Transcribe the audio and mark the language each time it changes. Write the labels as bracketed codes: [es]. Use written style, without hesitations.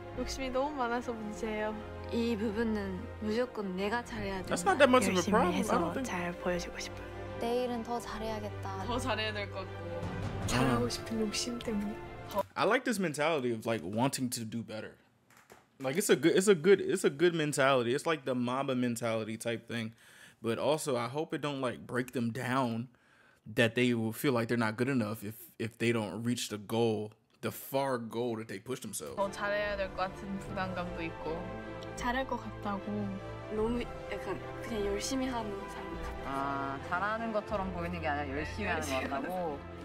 [ko] 욕심이 너무 많아서 문제예요. 이 부분은 무조건 내가 잘해야 된다. [en] That's not that much of a problem. [ko] 열심히 해서 잘 보여주고 싶어. 내일은 더 잘해야겠다. 더 잘해야 될 것 같고. 잘하고 싶은 욕심 때문에. [en] I like this mentality of like wanting to do better. Like it's a good mentality. It's like the Mamba mentality type thing. But also, I hope it don't like break them down that they will feel like they're not good enough if they don't reach the goal, the far goal that they push themselves. [ko] 더 잘해야 될 것 같은 부담감도 있고. 잘할 것 같다고 너무 약간 그냥 열심히 하는 사람 같아. 아 잘하는 것처럼 보이는 게 아니라 열심히 하는 것 같다고.